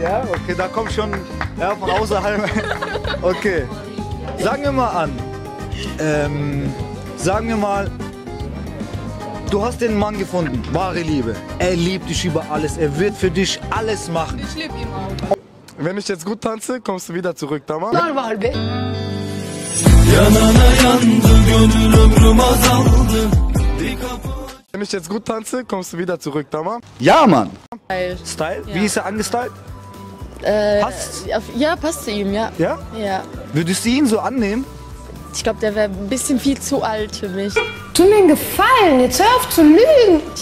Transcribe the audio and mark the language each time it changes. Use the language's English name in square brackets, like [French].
[German] Ja, okay, da kommt schon ja, von außerhalb. Okay, sagen wir mal an, sagen wir mal, du hast den Mann gefunden, wahre Liebe. Er liebt dich über alles, er wird für dich alles machen. Ich liebe ihn auch. Wenn ich jetzt gut tanze, kommst du wieder zurück, Tamam? [Turkish] Normal be. Yanana yandı, gönül ömrüm azaldı. [German] Wenn ich jetzt gut tanze, kommst du wieder zurück, Tamam? Ja, Mann! Style? Ja. Wie ist er angestylt? Passt? Ja, passt zu ihm, ja. Ja? Ja. Würdest du ihn so annehmen? Ich glaube, der wäre ein bisschen viel zu alt für mich. Tu mir einen Gefallen, jetzt hör auf zu lügen!